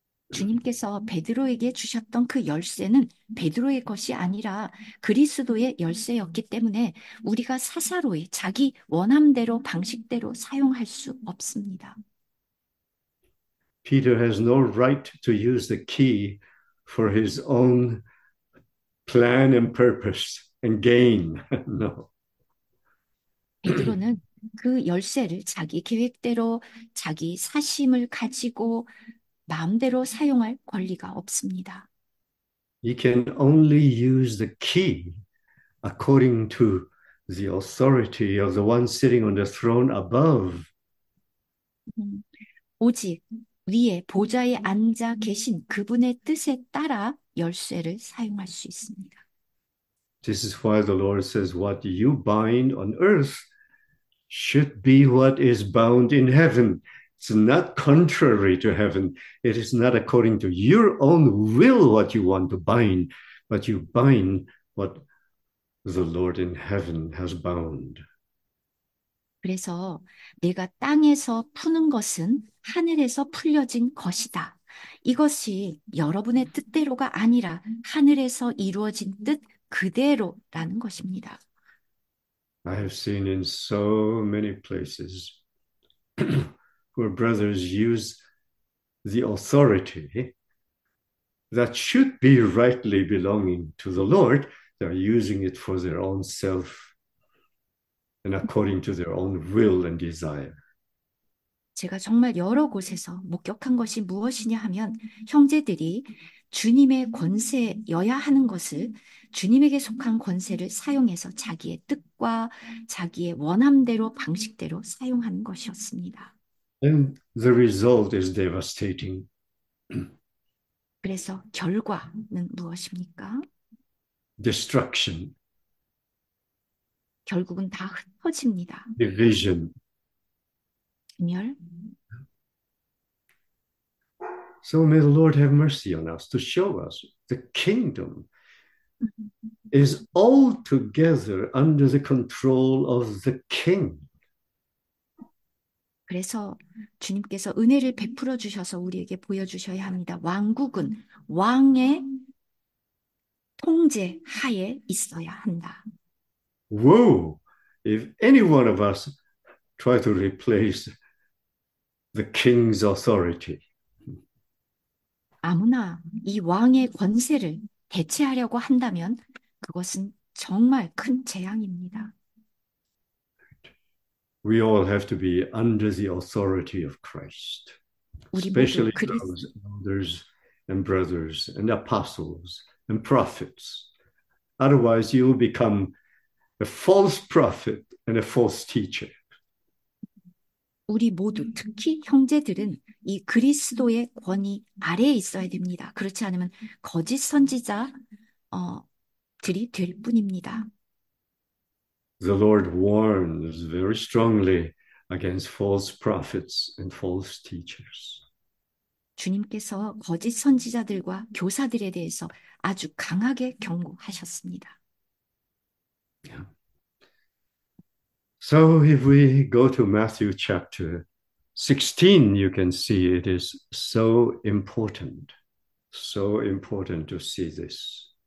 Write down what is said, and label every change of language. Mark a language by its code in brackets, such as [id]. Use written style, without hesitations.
[ko] 주님께서 베드로에게 주셨던 그 열쇠는 베드로의 것이 아니라 그리스도의 열쇠였기 때문에 우리가 사사로이 자기 원함대로 방식대로 사용할 수 없습니다. [en] Peter has no right to use the key for his own plan and purpose and gain. No. [ko] 베드로는 그 열쇠를 자기 계획대로 자기 사심을 가지고 마음대로 사용할 권리가 없습니다. [en] You can only use the key according to the authority of the one sitting on the throne above. [ko] 오직 위에 보좌에 앉아 계신 그분의 뜻에 따라 열쇠를 사용할 수 있습니다. [en] This is why the Lord says, what you bind on earth should be what is bound in heaven. It's not contrary to heaven. It is not according to your own will what you want to bind, but you bind what the Lord in heaven has bound. [ko] 그래서 내가 땅에서 푸는 것은 하늘에서 풀려진 것이다. 이것이 여러분의 뜻대로가 아니라 하늘에서 이루어진 뜻 그대로라는 것입니다. [en] I have seen in so many places where brothers use the authority that should be rightly belonging to the Lord. They're using it for their own self and according to their own will and desire. [ko] 제가 정말 여러 곳에서 목격한 것이 무엇이냐 하면 형제들이 주님의 권세여야 하는 것을 주님에게 속한 권세를 사용해서 자기의 뜻과 자기의 원함대로 방식대로 사용하는 것이었습니다. [en] And the result is devastating. [ko] 그래서 결과는 무엇입니까? [en] Destruction. [ko] 결국은 다 흩어집니다. [en] Division. [ko] 분열. [en] So may the Lord have mercy on us to show us the kingdom is altogether under the control of the king. [ko] 그래서 주님께서 은혜를 베풀어 주셔서 우리에게 보여주셔야 합니다. 왕국은 왕의 통제 하에 있어야 한다. [en] Woe if any one of us try to replace the king's authority. [ko] 아무나 이 왕의 권세를 대체하려고 한다면 그것은 정말 큰 재앙입니다. [en] We all have to be under the authority of Christ, [ko] 우리 모두 [en] especially those elders and brothers and apostles and prophets. Otherwise, you will become a false prophet and a false teacher. [ko] 우리 모두 특히 형제들은 이 그리스도의 권위 아래에 있어야 됩니다. 그렇지 않으면 거짓 선지자 들이 될 뿐입니다. [en] The Lord warns very strongly against false prophets and false teachers. [ko] 주님께서 거짓 선지자들과 교사들에 대해서 아주 강하게 경고하셨습니다. [en] So, if we go to Matthew chapter 16, you can see it is so important to see this.